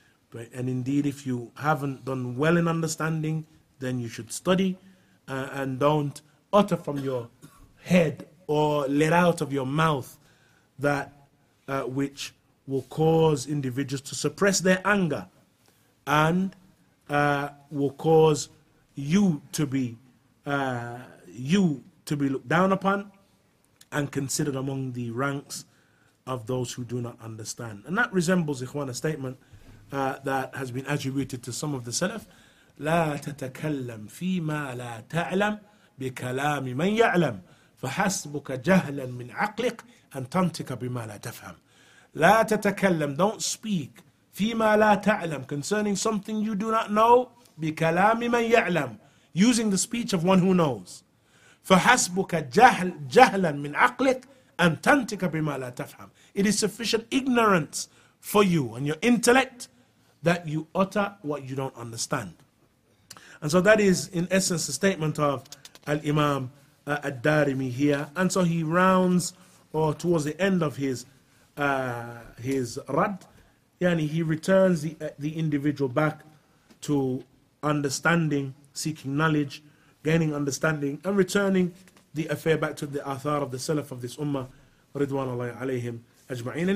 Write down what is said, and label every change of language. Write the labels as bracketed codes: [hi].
[en] But, and indeed, if you haven't done well in understanding, then you should study and don't utter from your head or let out of your mouth that which will cause individuals to suppress their anger and will cause you to be looked down upon and considered among the ranks of those who do not understand. And that resembles, ikhwan, a statement that has been attributed to some of the salaf. [ar] لا تتكلم فيما لا تعلم بكلام من يعلم فحسبك جهلا من عقلك أن تنطق بما لا تفهم. لا تتكلم, [en] don't speak, [ar] فيما لا تعلم, [en] concerning something you do not know, [ar] بكلام من يعلم, [en] using the speech of one who knows. [ar] فحسبك جهلا من عقلك أن تنطق بما لا تفهم. [en] It is sufficient ignorance for you and your intellect that you utter what you don't understand. And so that is, in essence, the statement of Al-Imam Ad-Darimi here. And so he rounds, or towards the end of his rad, yani he returns the individual back to understanding, seeking knowledge, gaining understanding, and returning the affair back to the athar of the salaf of this ummah, ridwanullahi alayhim ajma'in.